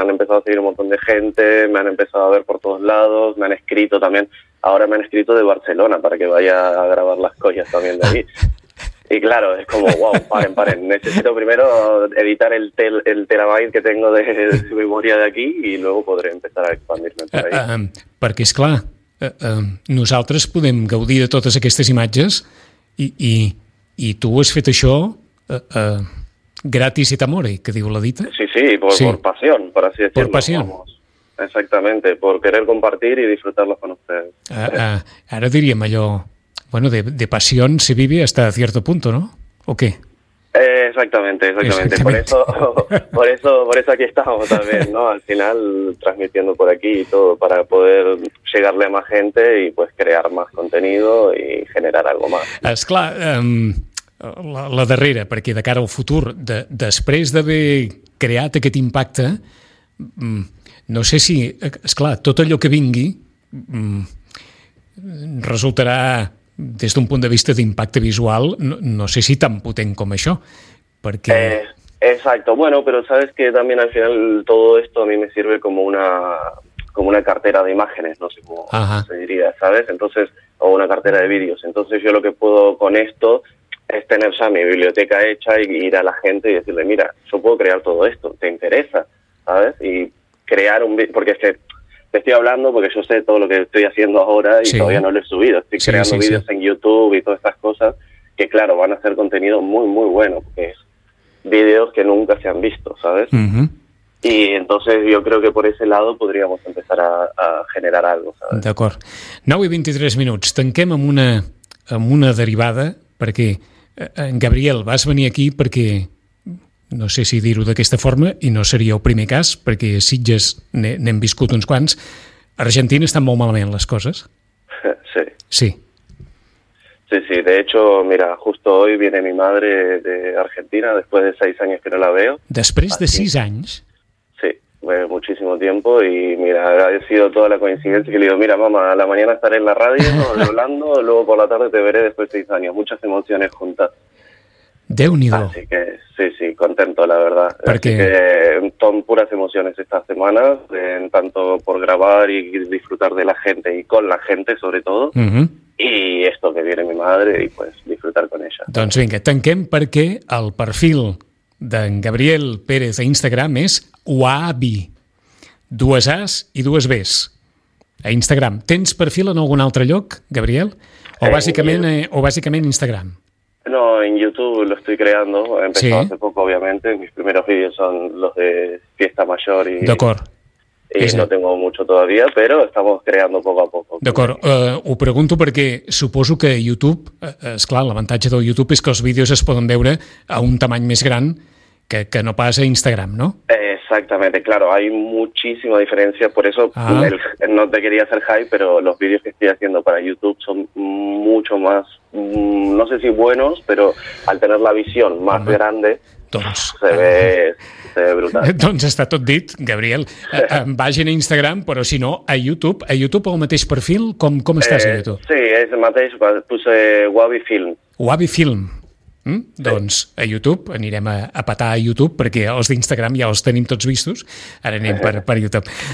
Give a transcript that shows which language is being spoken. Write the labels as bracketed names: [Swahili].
[Spanish] Me han empezado a seguir un montón de gente, me han empezado a ver por todos lados, me han escrito también. Ahora me han escrito de Barcelona para que vaya a grabar las collas también de allí. Y claro, es como, wow, paren, necesito primero editar el terabyte que tengo de memoria de aquí y luego podré empezar a expandirme. [Catalan] Perquè, esclar, nosaltres podem gaudir de totes aquestes imatges i tu has fet això gratis et amore, que diu la dita. [Spanish] Sí, por pasión, por así decirlo. Por pasión. Exactamente, por querer compartir y disfrutarlo con ustedes. [Catalan] Ara diríem allò... [Spanish] Bueno, de pasión se vive hasta cierto punto, ¿no? ¿O qué? Exactamente. Por eso aquí estamos también, ¿no? Al final, transmitiendo por aquí y todo, para poder llegarle a más gente y pues crear más contenido y generar algo más. [Catalan] Esclar, la darrera, perquè de cara al futur, després d'haver creat aquest impacte, no sé si, esclar, tot allò que vingui resultarà... Des d'un punt de vista d'impacte visual, no sé si tan potent com això, perquè... [Spanish] Exacto, bueno, pero sabes que también al final todo esto a mí me sirve como una cartera de imágenes, no sé cómo se diría, ¿sabes? Entonces, o una cartera de vídeos. Entonces yo lo que puedo con esto es tener ya mi biblioteca hecha y ir a la gente y decirle, mira, yo puedo crear todo esto, ¿te interesa? ¿Sabes? Y crear un vídeo, porque es que... Te estoy hablando porque yo sé todo lo que estoy haciendo ahora y todavía no lo he subido. Estoy creando vídeos en YouTube y todas estas cosas que, claro, van a ser contenido muy, muy bueno. Porque es vídeos que nunca se han visto, ¿sabes? Uh-huh. Y entonces yo creo que por ese lado podríamos empezar a generar algo, ¿sabes? [Catalan] D'acord. 9:23. Tanquem amb una derivada perquè, en Gabriel, vas venir aquí perquè... No sé si dir-ho d'aquesta forma, i no seria el primer cas, perquè a Sitges n'hem viscut uns quants. A Argentina estan molt malament les coses. Sí. Sí. [Spanish] Sí, de hecho, mira, justo hoy viene mi madre de Argentina, después de 6 años que no la veo. [Catalan] Després de 6 anys? [Spanish] Sí, bueno, muchísimo tiempo, y mira, ha sido toda la coincidencia, que le digo, mira, mamá, a la mañana estaré en la radio hablando, luego por la tarde te veré después de 6 años. Muchas emociones juntas. [Catalan] Déu-n'hi-do. [Spanish] Así que, sí, contento, la verdad. [Catalan] Perquè... [Spanish] Son puras emociones estas semanas, en tanto por grabar y disfrutar de la gente, y con la gente, sobre todo, y esto que viene mi madre, y pues disfrutar con ella. [Catalan] Doncs vinga, tanquem perquè el perfil d'en Gabriel Pérez a Instagram és Wabi. Dues As i dues Bs. A Instagram. Tens perfil en algun altre lloc, Gabriel? O bàsicament Instagram? [Spanish] No, en YouTube lo estoy creando, he empezado hace poco, obviamente, mis primeros vídeos son los de Fiesta Mayor y no tengo mucho todavía, pero estamos creando poco a poco. [Catalan] D'acord, ho pregunto perquè suposo que YouTube, esclar, l'avantatge del YouTube és que els vídeos es poden veure a un tamany més gran que no pas a Instagram, no? [Spanish] Exactamente, claro, hay muchísima diferencia, por eso no te quería hacer hype, pero los vídeos que estoy haciendo para YouTube son mucho más, no sé si buenos, pero al tener la visión más grande, se ve brutal. [Catalan] Doncs està tot dit, Gabriel. Vagin a Instagram, però si no, a YouTube el mateix perfil, com estàs a YouTube? Sí, és el mateix, [Spanish] puse [Catalan] Wabi Film. Wabi Film. Sí. Doncs a YouTube, anirem a petar a YouTube perquè els d'Instagram ja els tenim tots vistos, ara anem per YouTube.